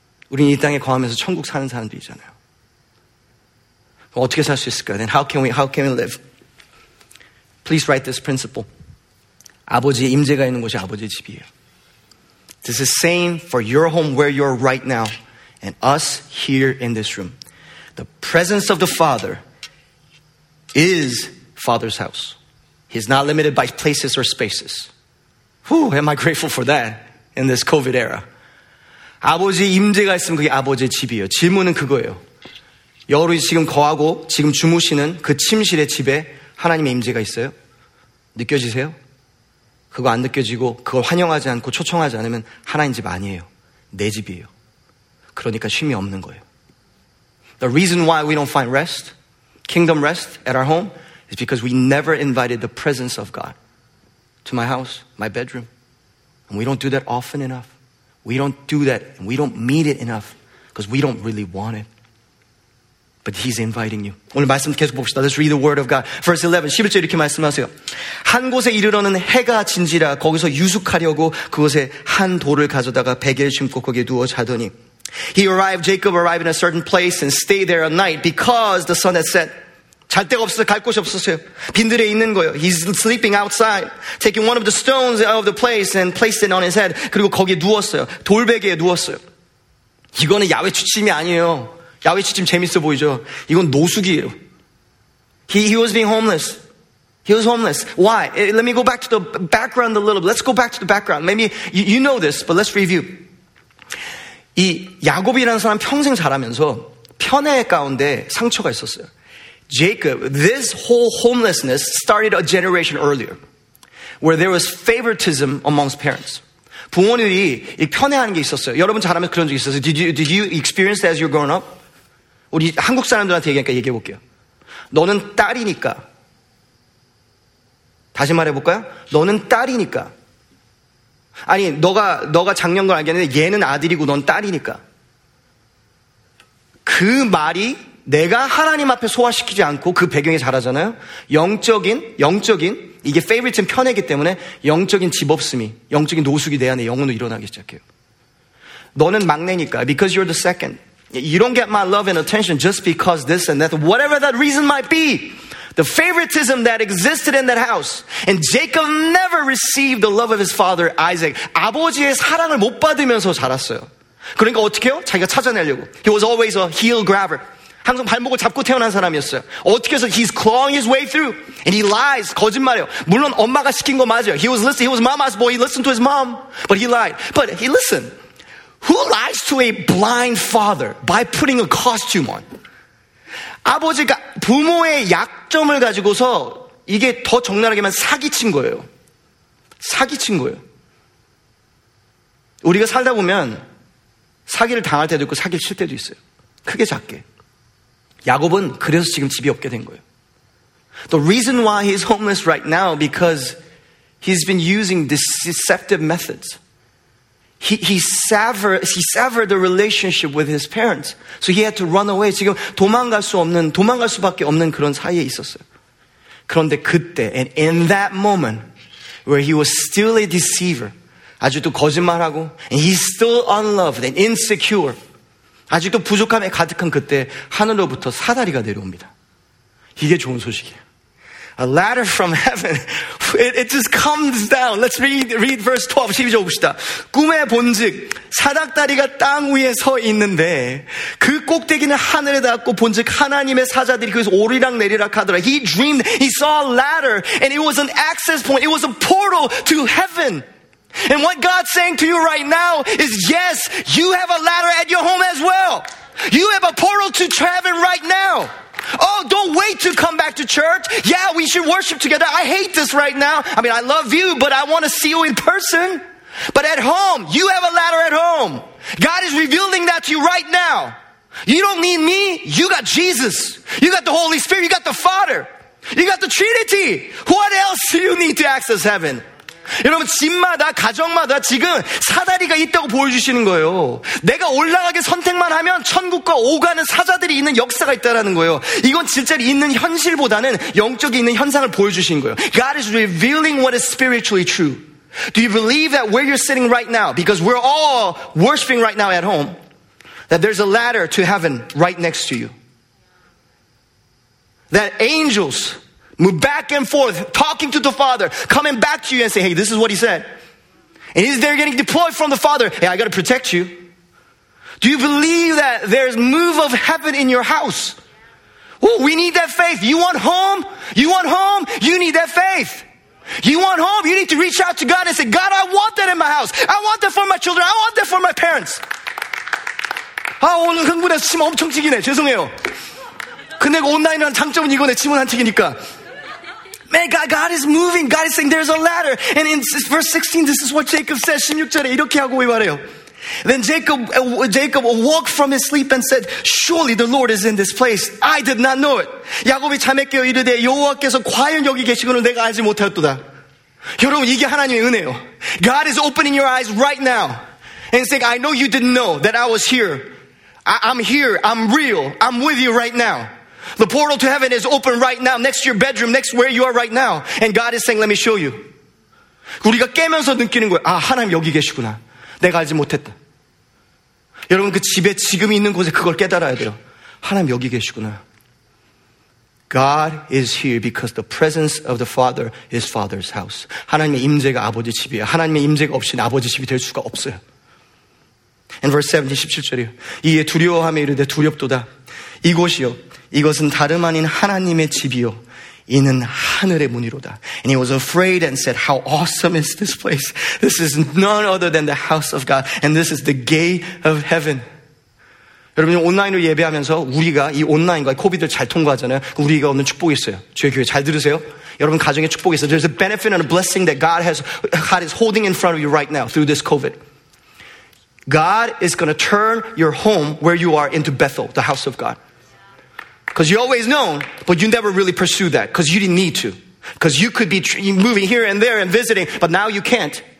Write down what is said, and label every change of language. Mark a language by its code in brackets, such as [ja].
[ko] 우린 이 땅에 거하면서 천국 사는 사람들이잖아요. 어떻게 살 수 있을까요? [en] Then how can we live? Please write this principle. [ko] 아버지의 임재가 있는 곳이 아버지의 집이에요. [en] This is same for your home where you are right now and us here in this room. The presence of the Father is Father's house. He's not limited by places or spaces. Whew, am I grateful for that in this COVID era. [ko] 아버지의 임재가 있으면 그게 아버지의 집이에요. 질문은 그거예요. 여러분이 지금 거하고 지금 주무시는 그 침실의 집에 하나님의 임재가 있어요? 느껴지세요? 그거 안 느껴지고 그걸 환영하지 않고 초청하지 않으면 하나님 집 아니에요. 내 집이에요. 그러니까 쉼이 없는 거예요. [en] The reason why we don't find rest, kingdom rest at our home is because we never invited the presence of God to my house, my bedroom. And we don't do that often enough. We don't do that and we don't meet it enough because we don't really want it. But he's inviting you. [ko] 오늘 말씀 계속 봅시다. [en] Let's read the word of God. Verse 11, [ko] 11절 이렇게 말씀하세요. 한 곳에 이르러는 해가 진지라 거기서 유숙하려고 그곳에 한 돌을 가져다가 베개를 심고 거기에 누워 자더니 [en] He arrived, Jacob arrived in a certain place and stayed there a night because the sun had set. [ko] 잘 데가 없어서 갈 곳이 없었어요. 빈들에 있는 거예요. [en] He's sleeping outside, taking one of the stones of the place and placed it on his head. [ko] 그리고 거기에 누웠어요. 돌베개에 누웠어요. 이거는 야외 취침이 아니에요. 야외 취침 재밌어 보이죠? 이건 노숙이에요. [en] He was being homeless. He was homeless. Why? Let me go back to the background a little bit. Let's go back to the background. Maybe you know this, but let's review. [ko] 이 야곱이라는 사람 평생 자라면서 편애 가운데 상처가 있었어요. [en] Jacob, this whole homelessness started a generation earlier where there was favoritism amongst parents. [ko] 부모님이 편애하는 게 있었어요. 여러분 자라면서 그런 적 있었어요. [en] Did you experience that as you were growing up? [ko] 우리 한국 사람들한테 얘기하니까 얘기해 볼게요. 너는 딸이니까. 다시 말해 볼까요? 너는 딸이니까. 아니, 너가 작년 걸 알겠는데 얘는 아들이고 넌 딸이니까. 그 말이 내가 하나님 앞에 소화시키지 않고 그 배경에 자라잖아요. 영적인 이게 favorite는 편애기 때문에 영적인 집 없음이, 영적인 노숙이 내 안에 영혼으로 일어나기 시작해요. 너는 막내니까, [en] because you're the second. You don't get my love and attention just because this and that. Whatever that reason might be, the favoritism that existed in that house. And Jacob never received the love of his father, Isaac. [ko] 아버지의 사랑을 못 받으면서 자랐어요. 그러니까 어떻게 해요? 자기가 찾아내려고. [en] He was always a heel grabber. [ko] 항상 발목을 잡고 태어난 사람이었어요. 어떻게 해서 [en] he's clawing his way through. And he lies. [ko] 거짓말이에요. 물론 엄마가 시킨 거 맞아요. [en] He was listening. He was mama's boy. He listened to his mom. But he lied. But he listened. Who lies to a blind father by putting a costume on? [ko] 아버지가 부모의 약점을 가지고서 이게 더 적나라하게만 사기친 거예요. 사기친 거예요. 우리가 살다 보면 사기를 당할 때도 있고 사기를 칠 때도 있어요. 크게 작게. 야곱은 그래서 지금 집이 없게 된 거예요. [en] The reason why he's homeless right now because he's been using deceptive methods. He severed the relationship with his parents. So he had to run away. [ko] 지금 도망갈 수밖에 없는 그런 사이에 있었어요. 그런데 그때, [en] and in that moment, where he was still a deceiver, [ko] 아직도 거짓말하고, [en] and he's still unloved and insecure, [ko] 아직도 부족함에 가득한 그때, 하늘로부터 사다리가 내려옵니다. 이게 좋은 소식이에요. [en] A ladder from heaven. It just comes down. Let's read verse 12. [ko] 12절 봅시다. 꿈에 본즉 사닥다리가 땅 위에 서 있는데 그 꼭대기는 하늘에 닿았고 본즉 하나님의 사자들이 거기서 오리락 내리락 하더라. [en] He dreamed. He saw a ladder and it was an access point. It was a portal to heaven. And what God's saying to you right now is yes, you have a ladder at your home as well. You have a portal to heaven right now. Oh, don't wait to come back to church. Yeah, we should worship together. I hate this right now. I mean, I love you, but I want to see you in person. But at home, you have a ladder at home. God is revealing that to you right now. You don't need me. You got Jesus. You got the Holy Spirit. You got the Father. You got the Trinity. What else do you need to access heaven? [ko] 여러분 집마다 가정마다 지금 사다리가 있다고 보여주시는 거예요. 내가 올라가게 선택만 하면 천국과 오가는 사자들이 있는 역사가 있다라는 거예요. 이건 진짜로 있는 현실보다는 영적이 있는 현상을 보여주신 거예요. [en] God is revealing what is spiritually true. Do you believe that where you're sitting right now, because we're all worshiping right now at home, that there's a ladder to heaven right next to you, that angels move back and forth, talking to the Father, coming back to you and say, hey, this is what he said. And is there getting deployed from the Father? Hey, I got to protect you. Do you believe that there's move of heaven in your house? Oh, we need that faith. You want home? You want home? You need that faith. You want home? You need to reach out to God and say, God, I want that in my house. I want that for my children. I want that for my parents. [ko] 아, 오늘 흥분해서 침 엄청 튀기네. 죄송해요. 근데 온라인은 장점은 이거네. 침은 안 튀기니까. [en] Man, God is moving. God is saying there's a ladder. And in verse 16, this is what Jacob says. [ko] 16절에 이렇게 하고 말해요. [en] Then Jacob awoke from his sleep and said, surely the Lord is in this place. I did not know it. [ko] 야곱이 잠에 깨어 이르되 여호와께서 과연 여기 계시거늘 내가 알지 못하였도다. 여러분, 이게 하나님의 은혜요. [en] God is opening your eyes right now and saying, I know you didn't know that I was here. I'm here. I'm real. I'm with you right now. The portal to heaven is open right now, next to your bedroom, next to where you are right now. And God is saying, let me show you. [ko] 우리가 깨면서 느끼는 거예요. 아, 하나님 여기 계시구나. 내가 알지 못했다. 여러분, 그 집에 지금 있는 곳에 그걸 깨달아야 돼요. 하나님 여기 계시구나. [en] God is here because the presence of the Father is Father's house. [ko] 하나님의 임재가 아버지 집이에요. 하나님의 임재가 없이는 아버지 집이 될 수가 없어요. [en] And verse 17, [ko] 17절이요. 이에 두려워함에 이르되 두렵도다. 이곳이요. 이것은 다름 아닌 하나님의 집이요. 이는 하늘의 문이로다. [en] And he was afraid and said, how awesome is this place? This is none other than the house of God. And this is the gate of heaven. [ko] 여러분, 온라인으로 예배하면서 우리가 이 온라인과 코비드를 잘 통과하잖아요. 우리가 얻는 축복이 있어요. 주의 교회 잘 들으세요. 여러분 가정에 축복이 있어요. [en] There's a benefit and a blessing that God is holding in front of you right now through this COVID. God is going to turn your home where you are into Bethel, the house of God. Because you always know, but you never really pursued that. Because you didn't need to. Because you could be moving here and there and visiting, but now you can't.